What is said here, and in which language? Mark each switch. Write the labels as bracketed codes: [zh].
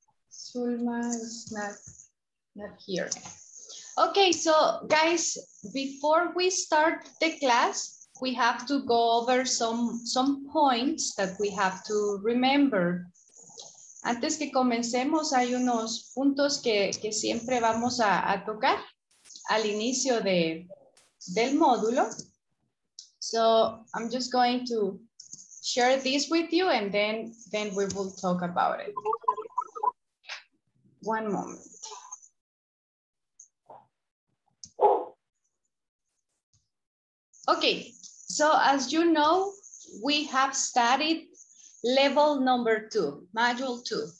[en] Zulma is not here. Okay, so guys, before we start the class, we have to go over some points that we have to remember. [es] Antes que comencemos, hay unos puntos que siempre vamos a tocar al inicio del módulo. [en] So I'm just going to share this with you and then we will talk about it. One moment. Okay. So as you know, we have studied level number 2, module 2.